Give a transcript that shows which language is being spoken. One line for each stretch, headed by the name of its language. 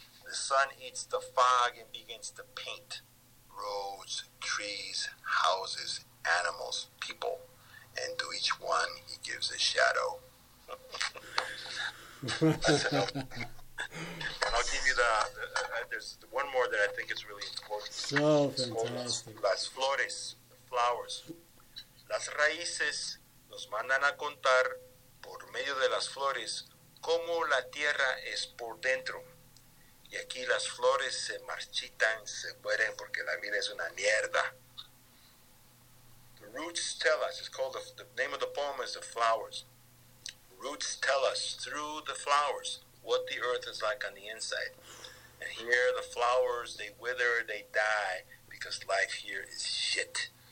English: The sun eats the fog and begins to paint. Roads, trees, houses, animals, people. And to each one, he gives a shadow. And I'll give you there's one more that I think is really important. So fantastic.
Spanish: Las flores, the flowers. Las raíces nos mandan a contar por medio de las flores cómo la tierra es por dentro. Y aquí las flores se marchitan, se mueren porque la vida es una mierda.
English: The roots tell us, it's called, the name of the poem is The Flowers. Roots tell us through the flowers what the earth is like on the inside. And here the flowers, they wither, they die, because life here is shit.